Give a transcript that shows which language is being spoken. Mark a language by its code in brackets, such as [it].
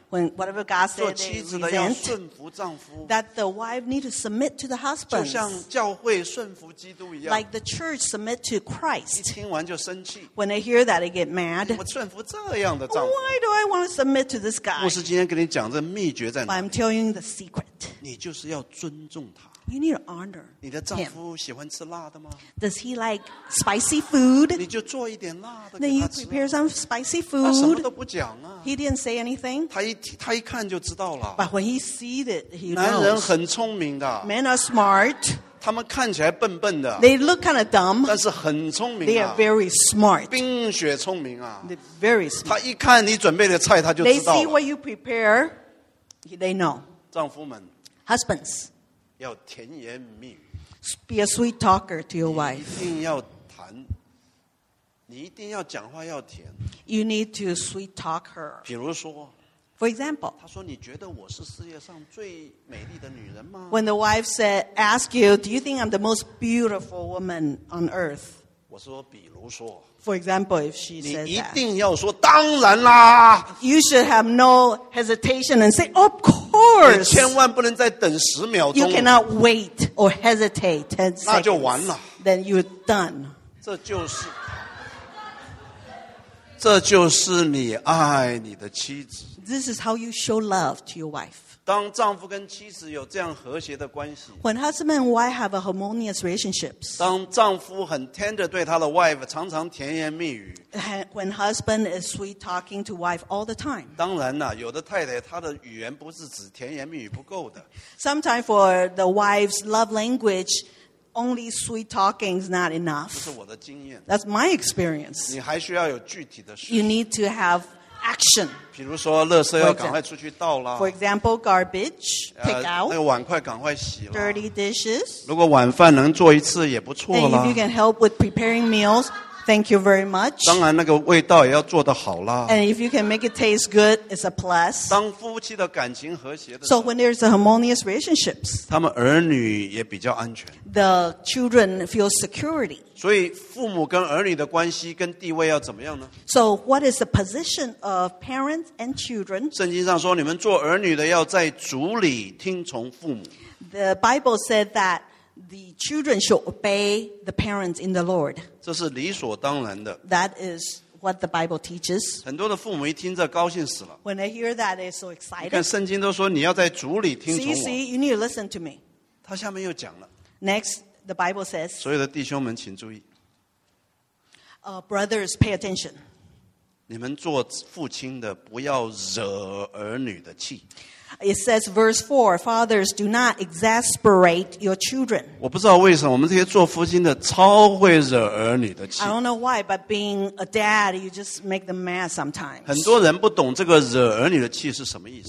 [en] when whatever God said, they resent, that the wife needs to submit to the husband. Like the church submit to Christ. [zh] 一听完就生气, [en] when they hear that, they get mad. Why do I want to submit to this guy? [zh] 牧师今天跟你讲这秘诀在哪里? [en] But I'm telling you the secret. [zh] 你就是要尊重他。 [en] You need to honor him. [zh] 你的丈夫喜欢吃辣的吗? [en] Does he like spicy food? [zh] 你就做一点辣的给他吃啊。 [en] Then you prepare some spicy food. [zh] 他什么都不讲啊。 [en] He didn't say anything. [zh] 他一看就知道了。 [en] But when he sees it, he knows. [zh] 男人很聪明的。 [en] Men are smart. [zh] 他们看起来笨笨的。 [en] They look kind of dumb. [zh] 但是很聪明啊。 [en] They are very smart. [zh] 冰雪聪明啊。 [en] They're very smart. [zh] 他一看你准备的菜, 他就知道了。 [en] They see what you prepare, they know. [zh] 丈夫们。 [en] Husbands. [zh] 要甜言蜜语, [en] be a sweet talker to your wife. [zh] 你一定要谈, 你一定要讲话要甜, [en] you need to sweet talk her. [zh] 比如说, [en] for example, [zh] 她说你觉得我是世界上最美丽的女人吗? [en] When the wife said, ask you, do you think I'm the most beautiful woman on earth? [zh] 我说比如说, [en] for example, if she says that, [zh] 你一定要说当然啦, [en] you should have no hesitation and say, of course. [zh] 你千万不能再等十秒钟, [en] you cannot wait or hesitate 10 seconds. [zh] 那就完了, [en] then you're done. [zh] 这就是, 这就是你爱你的妻子。 [en] This is how you show love to your wife. [zh] 当丈夫跟妻子有这样和谐的关系, [en] when husband and wife have a harmonious relationship, [zh] 当丈夫很tender对他的wife, 常常甜言蜜语, [en] when husband is sweet talking to wife all the time, [zh] 当然啦, 有的太太, 她的语言不是只甜言蜜语不够的, [en] sometimes for the wife's love language, only sweet talking is not enough. [zh] 这是我的经验, [en] that's my experience. [zh] 你还需要有具体的事, [en] you need to have action. [zh] 比如说垃圾要赶快出去倒啦, [en] for example, garbage, take out. [zh] 那个碗筷赶快洗啦, [en] dirty dishes. [zh] 如果晚饭能做一次也不错啦, [en] and if you can help with preparing meals, thank you very much. [zh] 当然那个味道也要做得好啦, [en] and if you can make it taste good, it's a plus. [zh] 当夫妻的感情和谐的时候, [en] so when there's a harmonious relationships, [zh] 他们儿女也比较安全, [en] the children feel security. [zh] 所以父母跟儿女的关系跟地位要怎么样呢? [en] So what is the position of parents and children? [zh] 圣经上说你们做儿女的要在主里听从父母。 [en] The Bible said that the children should obey the parents in the Lord. [zh] 这是理所当然的。 [en] That is what the Bible teaches. [zh] 很多的父母一听这高兴死了。 [en] When they hear that, they're so excited. [zh] 你看圣经都说你要在主里听从我。 [en] See, you need to listen to me. [zh] 他下面又讲了。 [en] Next, the Bible says, [zh] 所有的弟兄们请注意。 [en] Brothers, pay attention. [zh] 你们做父亲的不要惹儿女的气。 [en] It says verse 4, fathers, do not exasperate your children. [zh] 我不知道为什么我们这些做父亲的超会惹儿女的气。 [en] I don't know why, but being a dad, you just make them mad sometimes. [zh] 很多人不懂这个惹儿女的气是什么意思。